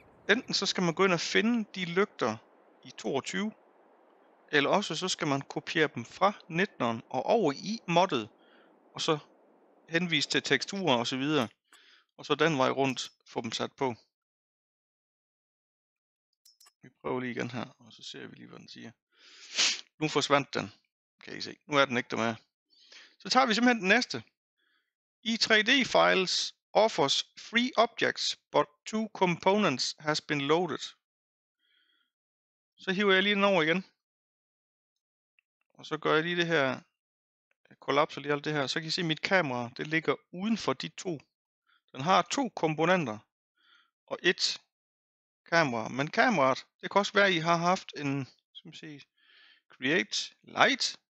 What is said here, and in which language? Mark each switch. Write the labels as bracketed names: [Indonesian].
[Danish] Enten så skal man gå ind og finde de lygter i 22, eller også så skal man kopiere dem fra 19'eren og over i moddet, og så henvise til teksturer og så videre, og så den vej rundt få dem sat på. Vi prøver lige igen her, og så ser vi lige, hvad den siger. Nu forsvandt den, kan I se. Nu er den ikke der mere. Så tager vi simpelthen den næste. [English] I3D files offers three objects, but two components has been loaded. [Danish] Så hiver jeg lige den over igen. Og så gør jeg lige det her. Jeg kollapser lige alt det her. Så kan I se, at mit kamera det ligger uden for de to. Den har to komponenter og et kamera. Men kameraet, det kan også være, at I har haft en, skal man sige, create light.